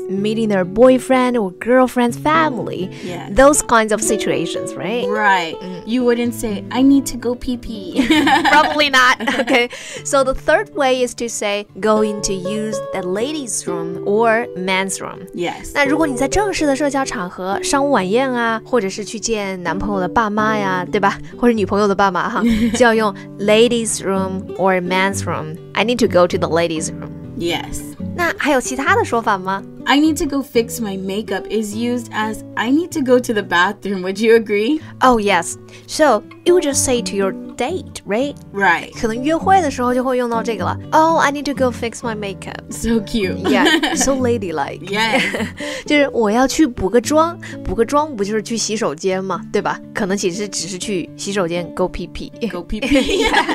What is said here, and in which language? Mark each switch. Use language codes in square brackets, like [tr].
[en] meeting their boyfriend or girlfriend's family, yes. those kinds of situations, right? Right. You wouldn't say, I need to go pee pee. Probably not. Okay. So the third way is to say going to use the ladies' room or man's room. Yes. [zh] 那如果你在正式的社交场合，商务晚宴啊，或者是去见男朋友的爸妈呀，对吧？或者女朋友的爸妈哈，就要用 [en] ladies' room or man's room. I need to go to the ladies' room. Yes. [zh] 那还有其他的说法吗？ [en] I need to go fix my makeup is used as I need to go to the bathroom. Would you agree? Oh, yes. So, you would just say to your date, right? Right. [zh] 可能约会的时候就会用到这个了。 [en] Oh, I need to go fix my makeup. So cute. Yeah, so ladylike. Yes. [zh] 就是我要去补个妆。补个妆不就是去洗手间吗？对吧？可能其实只是去洗手间 [en] go pee pee. Go pee pee.